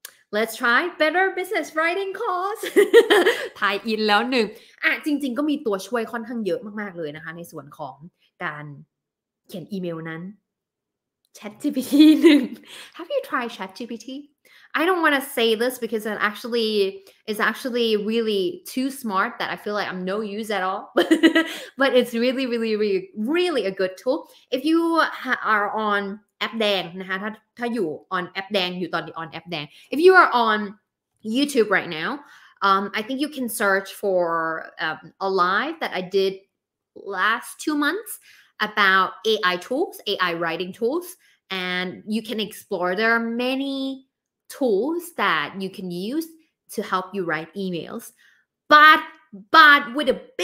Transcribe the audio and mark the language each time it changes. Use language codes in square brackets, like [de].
[en] Let's try better business writing course. [th] ทายอินแล้วหนึ่งอ่ะจริงๆก็มีตัวช่วยค่อนข้างเยอะมากๆเลยนะคะในส่วนของการเขียนอีเมลนั้น ChatGPT หนึ่ง [en] Have you tried ChatGPT? I don't want to say this because it actually is actually really too smart that I feel like I'm no use at all. But it's really, really, really, really a good tool. If you are onแอปแดง [th] นะคะถ้าอยู่ [en] on แอปแดงอยู่ตอนนี้ on แอปแดง if you are on YouTube right now I think you can search for a live that I did last 2 months about AI tools AI writing tools and you can explore there are many tools that you can use to help you write emails but with a